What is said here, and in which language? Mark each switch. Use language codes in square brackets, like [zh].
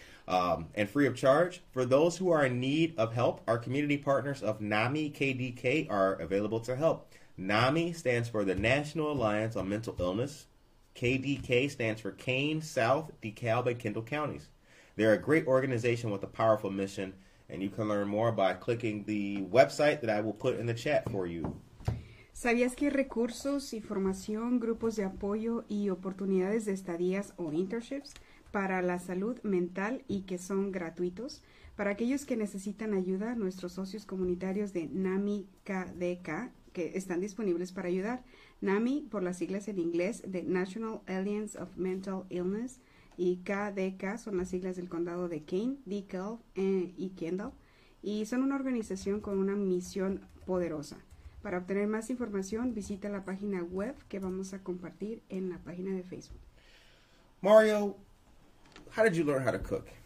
[en] And free of charge. For those who are in need of help, our community partners of NAMI KDK are available to help. NAMI stands for the National Alliance on Mental Illness. KDK stands for Kane, South, DeKalb, and Kendall Counties. They're a great organization with a powerful mission, and you can learn more by clicking the website that I will put in the chat for you. [es] ¿Sabías que recursos, información, grupos de apoyo y oportunidades de estadías o internships para la salud mental y que son gratuitos? Para aquellos que necesitan ayuda, nuestros socios comunitarios de NAMI KDK que están disponibles para ayudar. NAMI, por las siglas en inglés, de National Alliance of Mental Illness, y KDK son las siglas del condado de Kane, DeKalb y Kendall, y son una organización con una misión poderosa. Para obtener más información, visita la página web que vamos a compartir en la página de Facebook. [en] Mario, how did you learn how to cook?